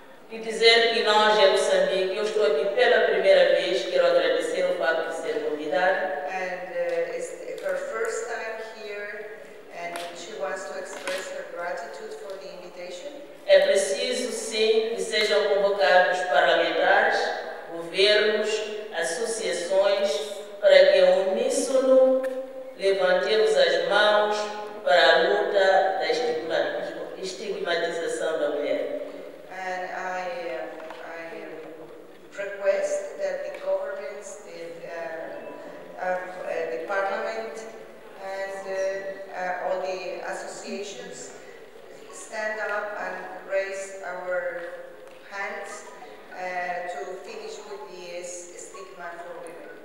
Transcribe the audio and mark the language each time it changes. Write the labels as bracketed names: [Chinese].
[Portuguese] E dizer que nós, em Moçambique, eu estou aqui pela primeira vez, quero agradecer o fato de ser convidada. [English] And it's her first time here, and she wants to express her gratitude for the invitation. [Portuguese] É preciso, sim, que sejam convocados parlamentares, governos, associações, para que em uníssono levantemos as mãos para a luta da estigmatização da mulher. [English] Request that the governments, the parliament, and all the associations stand up and raise our hands to finish with the stigma for women.